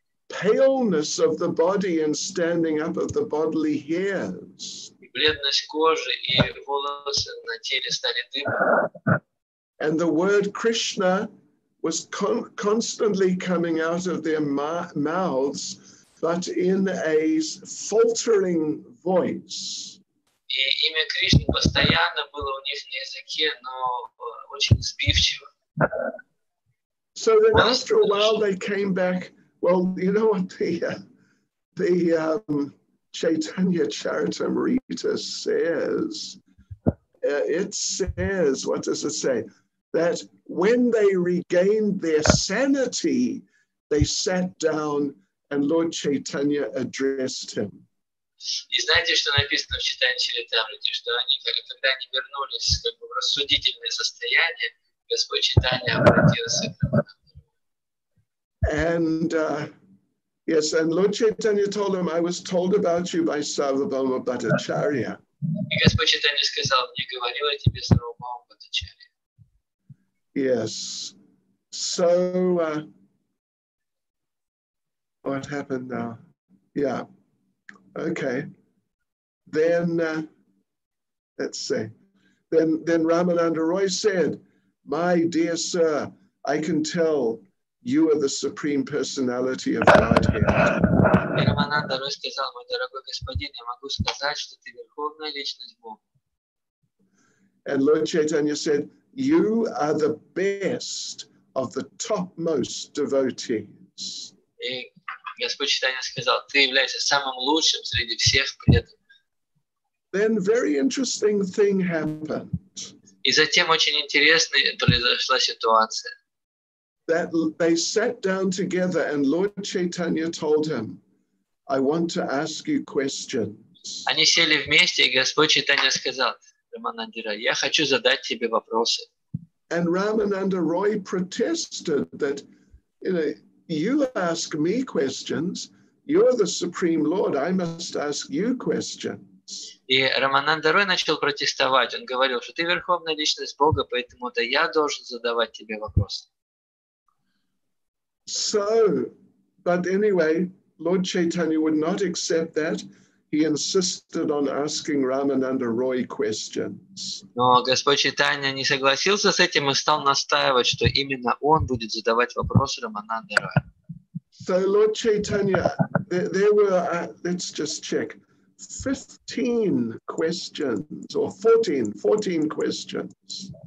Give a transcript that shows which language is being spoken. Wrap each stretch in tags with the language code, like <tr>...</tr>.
<en>Paleness of the body and standing up of the bodily hairs.</en> <ru>И бледность кожи, и волосы на теле стали дыбом.</ru> <en>And the word Krishna was constantly coming out of their mouths, but in a faltering voice.</en> <ru>И имя Кришны постоянно было у них на языке, но очень сбивчиво.</ru> <en>So then after a while they came back, well, you know what the Chaitanya Charitamrita says? It says, what does it say? That when they regained their sanity, they sat down and Lord Chaitanya addressed him.</en> <ru>И знаете, что написано в Читании Чаритамриты, что они, когда они вернулись как бы в рассудительное состояние, Господь Чайтанья обратился к ним.</ru> <en>And yes, and Lord Chaitanya told him, "I was told about you by Sarvabhauma Bhattacharya."</en> <ru>И Господь Чайтанья сказал, мне говорил о тебе Сарвабхаума Бхаттачарья.</ru> <en>Yes. So what happened now? Yeah. Okay. Then let's see. Then Ramananda Roy said, "My dear sir, I can tell you are the supreme personality of Godhead."</en> <ru>Ramananda Roy сказал, "Мой дорогой господин, я могу сказать, что ты верховная личность Бога."</ru> <en>And Lord Chaitanya said, "You are the best of the topmost devotees."</en> <ru>Господь Чайтанья сказал, ты являешься самым лучшим среди всех преданных.</ru> <en>Then very interesting thing happened.</en> <ru>И затем очень интересная произошла ситуация.</ru> <en>That they sat down together and Lord Chaitanya told him, "I want to ask you questions."</en> <ru>Они сели вместе, и Господь Чайтанья сказал, Рамананда Рой, я хочу задать тебе вопросы.</ru> <en>And Рамананда Рой protested that, you know, "You ask me questions. You're the Supreme Lord. I must ask you questions."</en> <ru>И Рамананда Рой начал протестовать. Он говорил, что ты верховная личность Бога, поэтому да я должен задавать тебе вопросы.</ru> <en>So, but anyway, Lord Chaitanya would not accept that. He insisted on asking Ramananda Roy questions.</en> <ru>Но Господь Чайтанья не согласился с этим и стал настаивать, что именно он будет задавать вопросы Рамананда Рой.</ru> <en>So Lord Chaitanya, there were, let's just check, 15 questions or 14 questions.</en>